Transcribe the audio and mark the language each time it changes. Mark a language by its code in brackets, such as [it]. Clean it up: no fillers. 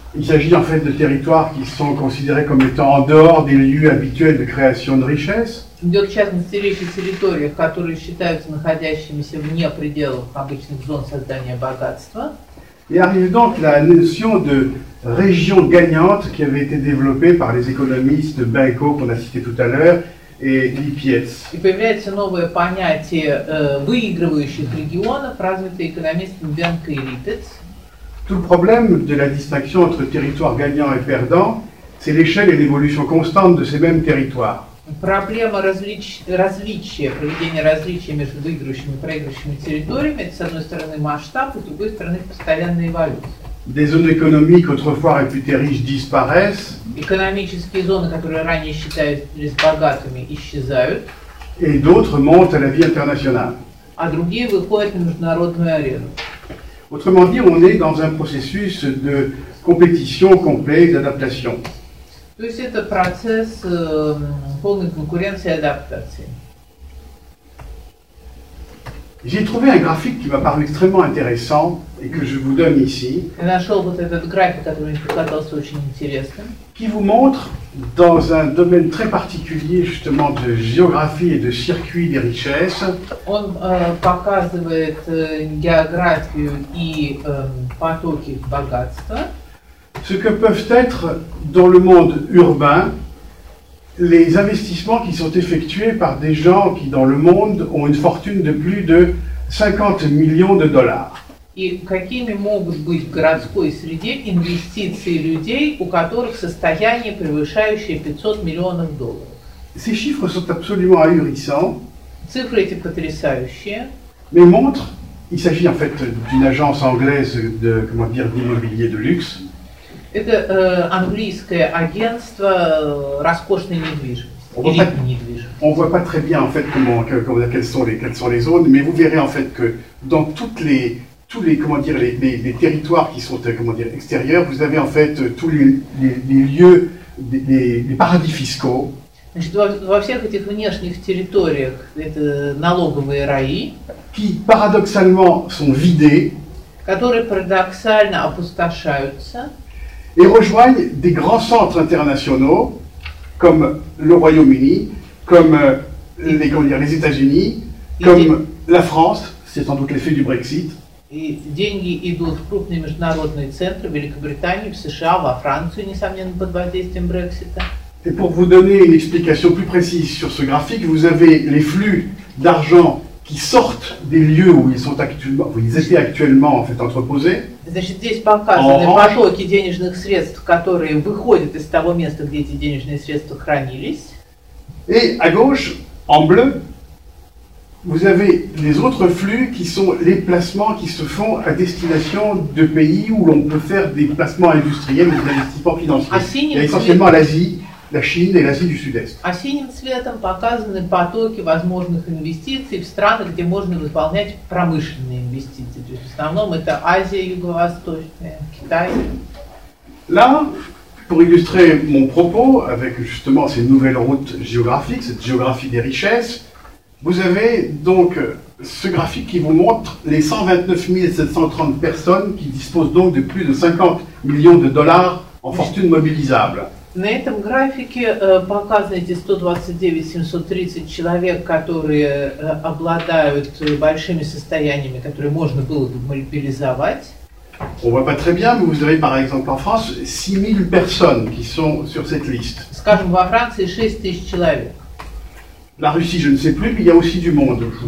[fr] Il s'agit en fait de territoires qui sont considérés comme étant en dehors des lieux habituels de création de richesses. [ru] Идет в частности речь о территориях, которые считаются находящимися вне пределов обычных зон создания богатства. [fr] Et arrive donc la notion de région gagnante qui avait été développée par les économistes Benko, qu'on a cité tout à l'heure, et Lipietz. [ru] И появляется новое понятие выигрывающих регионов, развитые экономистами Benko и Lipietz. [fr] Tout le problème de la distinction entre territoires gagnants et perdants, c'est l'échelle et l'évolution constante de ces mêmes territoires. [ru] Проблема различия, проведения различия между выигрывающими и проигрывающими территориями, это, с одной стороны, масштаб, и, с другой стороны, постоянная эволюция. [fr] Des zones économiques autrefois réputées riches disparaissent. [ru] Экономические зоны, которые ранее считались богатыми, исчезают. [fr] Et d'autres montent à la vie internationale. [ru] А другие выходят на международную арену. [fr] Autrement dit, on est dans un processus de compétition complète, d'adaptation. [ru] То есть это процесс полной конкуренции и адаптации. [fr] J'ai trouvé un graphique qui m'a paru extrêmement intéressant et que je vous donne ici. [ru] Я нашел вот этот график, который мне показался очень интересным. [fr] Qui vous montre, dans un domaine très particulier, justement, de géographie et de circuit des richesses. [ru] Он показывает географию и потоки богатства. [fr] Ce que peuvent être, dans le monde urbain, les investissements qui sont effectués par des gens qui, dans le monde, ont une fortune de plus de 50 millions de dollars. [ru] И какими могут быть в городской среде инвестиции людей, у которых состояние превышающее 500 миллионов долларов? [fr] Ces chiffres sont absolument ahurissants. [ru] Цифры эти потрясающие. [fr] Mais montre, il s'agit en fait d'une agence anglaise de, comment dire, d'immobilier de luxe. [ru] Это английское агентство роскошной недвижимости. [fr] On voit pas très bien en fait comment, quelles sont les zones, mais vous verrez en fait que dans toutes les tous les comment dire les territoires qui sont comment dire extérieurs, vous avez en fait tous les lieux les paradis fiscaux. [ru] Значит, во всех этих внешних территориях это налоговые раи, [fr] qui paradoxalement sont vidés, [ru] которые парадоксально опустошаются, [fr] et rejoignent des grands centres internationaux comme le Royaume-Uni, comme les, comment dire, les États-Unis, comme la France, c'est sans doute l'effet du Brexit. [ru] И деньги идут в крупные международные центры в Великобритании, в США, во Францию, несомненно, под воздействием Брексита. [fr] Et pour vous donner une explication plus précise sur ce graphique, vous avez les flux d'argent qui sortent des lieux où ils sont actuellement, où ils étaient actuellement en fait entreposés. [ru] Значит, здесь показаны потоки денежных средств, которые выходят из того места, где эти денежные средства хранились. [fr] Et à gauche, en bleu, vous avez les autres flux qui sont les placements qui se font à destination de pays où l'on peut faire des placements industriels ou des investissements financiers. Il y a essentiellement l'Asie, la Chine et l'Asie du Sud-Est. [ru] А синим цветом показаны потоки возможных инвестиций в страны, где можно выполнять промышленные инвестиции. То есть в основном это Азия юго-восточная, Китай. [fr] Là, pour illustrer mon propos avec justement ces nouvelles routes géographiques, cette géographie des richesses, vous avez donc ce graphique qui vous montre les 129 730 personnes qui disposent donc de plus de 50 millions de dollars en fortune mobilisable. [ru] На этом графике показаны эти 129 730 человек, которые обладают большими состояниями, которые можно было бы мобилизовать. [fr] On voit pas très bien, mais vous avez par exemple en France 6 000 personnes qui sont sur cette liste. [ru] Скажем, во Франции 6 000 человек. [fr] La Russie, je ne sais plus, mais il y a aussi du monde.